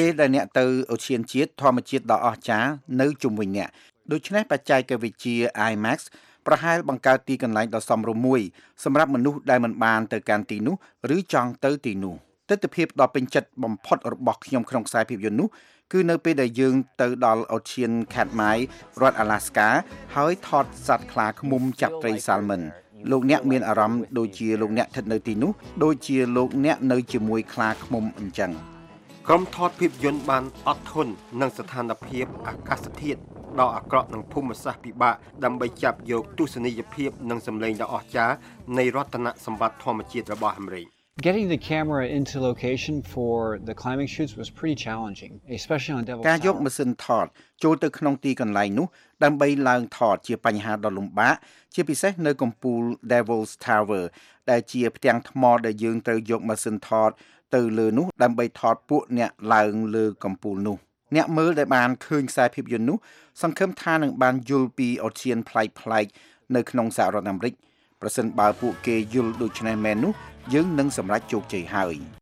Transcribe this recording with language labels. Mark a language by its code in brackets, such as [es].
[km] ពេលដែលអ្នកទៅអូសានជាតិធម្មជាតិដ៏អស្ចារ្យនៅជុំវិញអ្នកដូច្នេះបច្ចេកវិទ្យា IMAX ប្រហែលបង្កើតទីកន្លែងដ៏សមរម្យមួយសម្រាប់មនុស្សដែលមិនបានទៅកាន់ទីនោះឬចង់ទៅទីនោះទិដ្ឋភាពដ៏ពេញចិត្តបំផុតរបស់ខ្ញុំក្នុងខ្សែភាពយន្តនោះគឺនៅពេលដែលយើងទៅដល់អូសានខាត់ម៉ៃរដ្ឋអាឡាស្កាហើយថតសត្វខ្លាឃ្មុំចាប់ត្រីសាល់ម៉ិនលោកអ្នកមានអារម្មណ៍ដូចជាលោកអ្នកស្ថិតនៅទីនោះដូចជាលោកអ្នកនៅជាមួយខ្លាឃ្មុំអញ្ចឹង ក្រុមថតភាពយន្តបានអត់ធន់នឹងស្ថានភាពអាកាសធាតុដ៏អាក្រក់ក្នុងភូមិសាស្ត្រពិបាកដើម្បីចាប់យកទស្សនីយភាពនិងសម្លេងដ៏អស្ចារ្យនៃរតនសម្បត្តិធម្មជាតិរបស់អាមេរិក [en] Getting the camera into location for the climbing shoots was pretty challenging especially on Devil's [km] Tower ការយកម៉ាស៊ីនថតចូលទៅក្នុងទីកន្លែងនោះដើម្បីឡើងថតជាបញ្ហាដ៏លំបាកជាពិសេសនៅកំពូល Devil's Tower ដែលជាផ្ទាំងថ្មដែលយើងត្រូវយកម៉ាស៊ីនថតទៅលើនោះដើម្បីថតពួកអ្នកឡើងលើកំពូលនោះអ្នកមើលដែលបានឃើញខ្សែភាពយន្តនោះសង្ឃឹមថានឹងបានយល់ពីអូសានប្លែកៗនៅក្នុងសហរដ្ឋអាមេរិកប្រសិនបើពួកគេយល់ដូច្នេះមែននោះយើងនឹងសម្រេចជោគជ័យហើយ